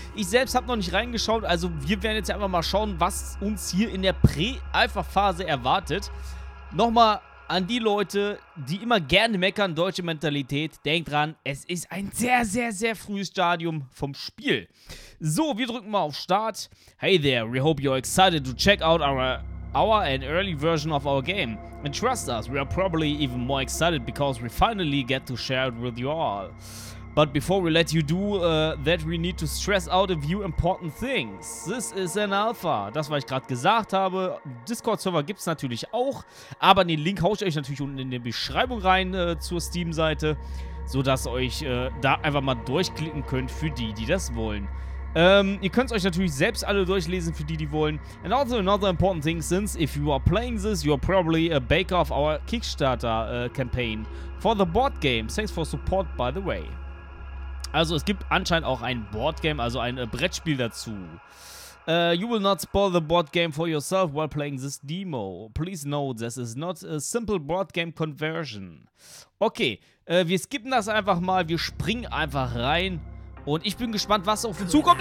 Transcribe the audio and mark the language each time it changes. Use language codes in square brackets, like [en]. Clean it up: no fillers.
[de] Ich selbst habe noch nicht reingeschaut, also wir werden jetzt einfach mal schauen, was uns hier in der Prä-Alpha-Phase erwartet. Nochmal an die Leute, die immer gerne meckern, deutsche Mentalität, denkt dran, es ist ein sehr, sehr, sehr frühes Stadium vom Spiel. So, wir drücken mal auf Start. [en] Hey there, we hope you're excited to check out our and early version of our game. And trust us, we are probably even more excited because we finally get to share it with you all. But before we let you do that, we need to stress out a few important things. This is an Alpha. [de] Das, was ich gerade gesagt habe. Discord-Server gibt es natürlich auch. Aber den Link haue ich euch natürlich unten in die Beschreibung rein zur Steam-Seite, sodass ihr euch da einfach mal durchklicken könnt für die, die das wollen. Ihr könnt es euch natürlich selbst alle durchlesen für die, die wollen. [en] And also another important thing, since if you are playing this, you are probably a backer of our Kickstarter-Campaign for the board game. Thanks for support, by the way. [de] Also, es gibt anscheinend auch ein Boardgame, also ein Brettspiel dazu. [en] You will not spoil the board game for yourself while playing this demo. Please note, this is not a simple board game conversion. [de] Okay, wir skippen das einfach mal, wir springen einfach rein. Und ich bin gespannt, was auf uns zukommt.